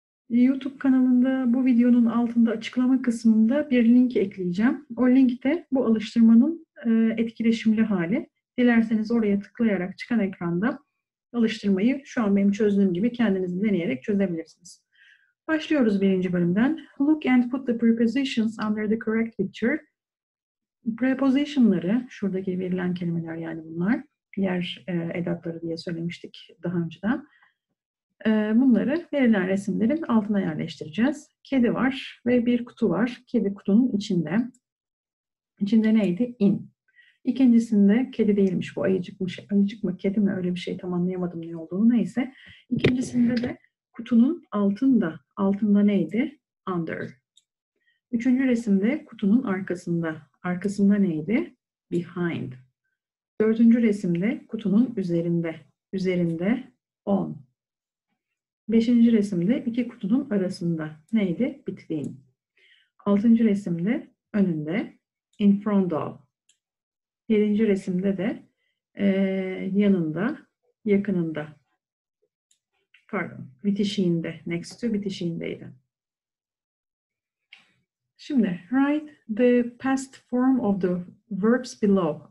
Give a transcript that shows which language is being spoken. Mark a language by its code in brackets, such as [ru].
[tr] YouTube kanalında bu videonun altında açıklama kısmında bir link ekleyeceğim. O linkte bu alıştırmanın etkileşimli hali. Dilerseniz oraya tıklayarak çıkan ekranda alıştırmayı şu an benim çözdüğüm gibi kendiniz deneyerek çözebilirsiniz. Başlıyoruz birinci bölümden. [en] Look and put the prepositions under the correct picture. [tr] Prepositionları, şuradaki verilen kelimeler yani bunlar, yer edatları diye söylemiştik daha önceden. Bunları verilen resimlerin altına yerleştireceğiz. Kedi var ve bir kutu var. Kedi kutunun içinde. İçinde neydi? In. İkincisinde kedi değilmiş bu, ayıcıkmış. Ayıcık mı, kedi mi, öyle bir şey tam anlayamadım ne olduğunu, neyse. İkincisinde de kutunun altında. Altında neydi? Under. Üçüncü resimde kutunun arkasında. Arkasında neydi? Behind. Dördüncü resimde kutunun üzerinde. Üzerinde on. Beşinci resimde iki kutunun arasında. Neydi? Between. Altıncı resimde önünde. In front of. Yedinci resimde de yanında, yakınında, pardon, bitişiğinde, next to bitişiğindeydi. [en] Şimdi, write the past form of the verbs below.